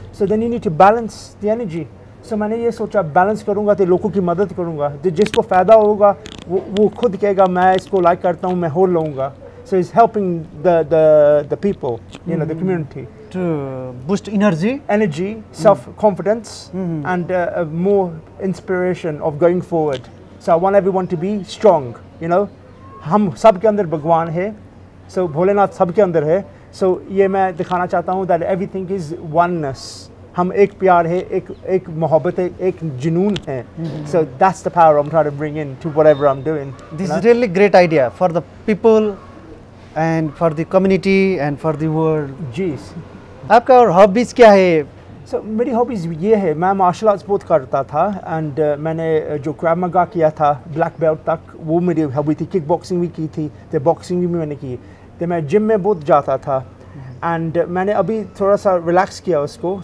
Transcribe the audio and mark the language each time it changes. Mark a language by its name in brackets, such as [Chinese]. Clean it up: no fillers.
[English] So then you need to balance the energy. [Hindi] सो मैंने ये सोचा बैलेंस करूंगा तो लोगों की मदद करूंगा, तो जिसको फ़ायदा होगा वो खुद कहेगा मैं इसको लाइक करता हूँ, मैं होल लूँगा. [English] So is helping the people, you know, the community to boost energy, energy, self confidence and more inspiration of going forward. So I want everyone to be strong, you know. [Hindi] हम सब के अंदर भगवान है. So Bholenath सब के अंदर है. So ये मैं दिखाना चाहता हूँ [English] that everything is oneness. [Hindi] हम एक प्यार है, एक मोहब्बत है, एक जुनून है. [English] So that's the power I'm trying to bring in to whatever I'm doing. This is really great idea for the people and for the community and for the world. Jeez. [Hindi] आपका और हॉबीज क्या है? सो मेरी hobbies ये है, मैं martial arts बहुत करता था एंड मैंने जो क्रैव मगा किया था ब्लैक बेल्ट तक, वो मेरी हॉबी थी. किक बॉक्सिंग भी की थी, तो बॉक्सिंग भी मैंने की. तो मैं जिम में बहुत जाता था एंड मैंने अभी थोड़ा सा रिलैक्स किया उसको.